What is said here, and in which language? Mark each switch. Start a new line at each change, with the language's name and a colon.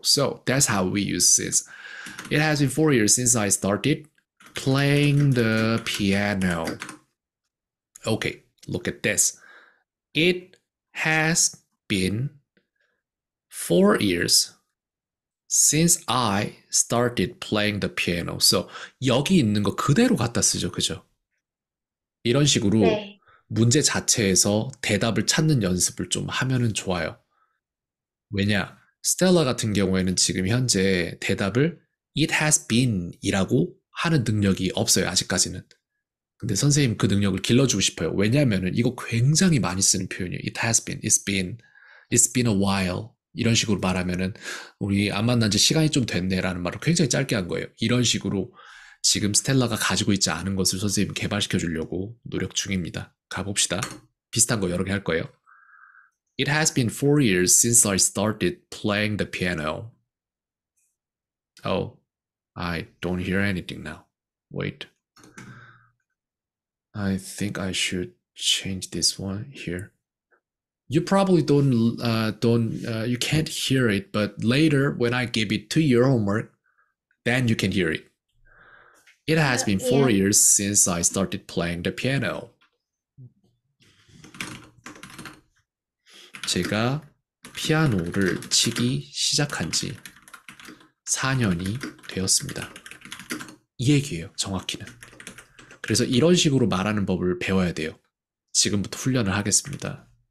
English: So that's how we use since. It has been 4 years since I started playing the piano. Okay, look at this. It has been 4 years since I started playing the piano.
Korean: So 여기 있는 거 그대로 갖다 쓰죠, 그죠? 이런 식으로 네. 문제 자체에서 대답을 찾는 연습을 좀 하면은 좋아요. 왜냐? 스텔라 같은 경우에는 지금 현재 대답을
English: it has been
Korean: 이라고 하는 능력이 없어요, 아직까지는. 근데 선생님 그 능력을 길러주고 싶어요. 왜냐면은 이거 굉장히 많이 쓰는 표현이에요.
English: It has been, it's been, it's been a while.
Korean: 이런 식으로 말하면은 우리 안 만난 지 시간이 좀 됐네 라는 말을 굉장히 짧게 한 거예요. 이런 식으로 지금 스텔라가 가지고 있지 않은 것을 선생님 개발시켜 주려고 노력 중입니다. 가봅시다. 비슷한 거 여러 개 할 거예요.
English: It has been 4 years since I started playing the piano. Oh, I don't hear anything now. Wait. I think I should change this one here. You probably you can't hear it, but later when I give it to your homework, then you can hear it. It has been 4 years since I started playing the piano.
Korean: 제가 피아노를 치기 시작한 지 4년이 되었습니다. 이 얘기예요, 정확히는. 그래서 이런 식으로 말하는 법을 배워야 돼요. 지금부터 훈련을 하겠습니다.